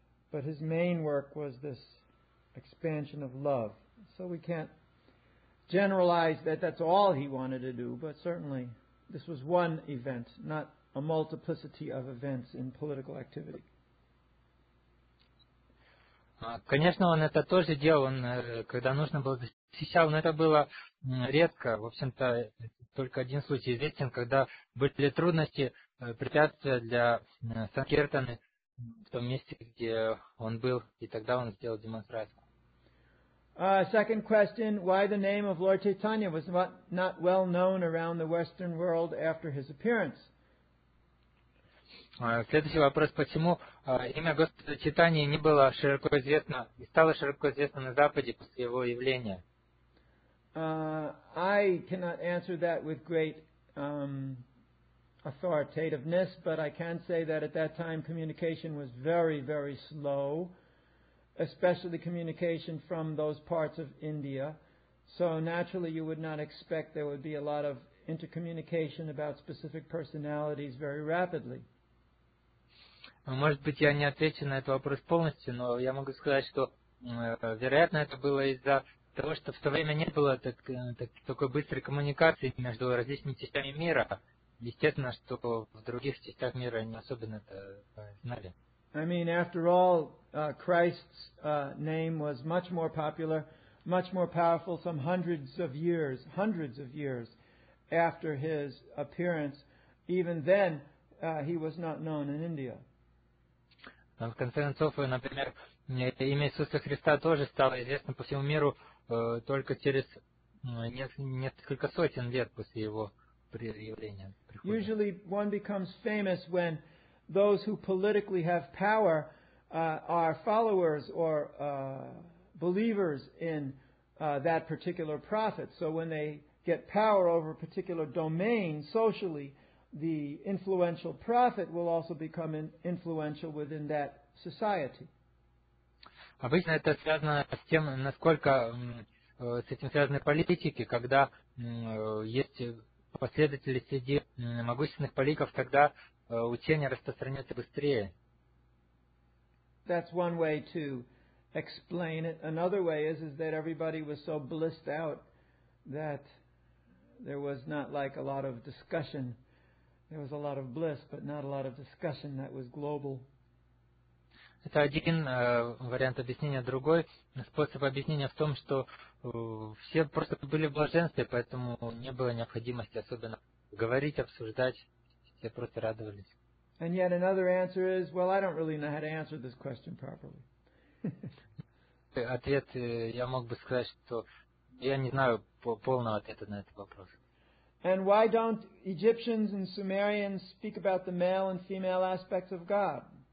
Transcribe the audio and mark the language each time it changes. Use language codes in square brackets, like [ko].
[en] But his main work was this expansion of love. So we can't generalize that that's all he wanted to do, but certainly this was one event, not a multiplicity of events in political activity. [ru] Конечно, он это тоже делал, он, когда нужно было защищал, но это было редко, в общем-то, только один случай известен, когда были трудности, препятствия для Санкиртаны в том месте, где он был, и тогда он сделал демонстрацию. [en] Second question, why the name of Lord Chaitanya was not well known around the Western world after his appearance? [ru] Следующий вопрос. Почему имя Господа Читания не было широко известно, не стало широко известно на Западе после его явления? [en] I cannot answer that with great authoritativeness, but I can say that at that time communication was very, very slow, especially communication from those parts of India. So naturally you would not expect there would be a lot of intercommunication about specific personalities very rapidly. [ru] Может быть, я не отвечу на этот вопрос полностью, но я могу сказать, что, вероятно, это было из-за того, что в то время не было такой быстрой коммуникации между различными частями мира. Естественно, что в других частях мира они особенно это знали. [en] I mean, after all, Christ's name was much more popular, much more powerful some hundreds of years after his appearance. Even then, he was not known in India. [ru] Но в конце концов, например, имя Иисуса Христа тоже стало известно по всему миру только через несколько сотен лет после его явления. [en] Usually one becomes famous when those who politically have power are followers or believers in that particular prophet. So when they get power over a particular domain socially, the influential prophet will also become influential within that society. [ru] Обычно это связано с тем, насколько с этим связаны политики, когда есть последователи среди могущественных политиков, тогда учение распространяется быстрее. [en] That's one way to explain it. Another way is that everybody was so blissed out that there was not like a lot of discussion. There was a lot of bliss, but not a lot of discussion that was global. [ru] Это один вариант объяснения. Другой способ объяснения в том, что все просто были в блаженстве, поэтому не было необходимости особенно говорить, обсуждать. Все просто радовались. [en] And yet another answer is, well, I don't really know how to answer this question properly. [ru] Ответ, я мог бы сказать, что я не знаю полного ответа на этот вопрос. [en] And why don't Egyptians and Sumerians speak about the male and female aspects of God?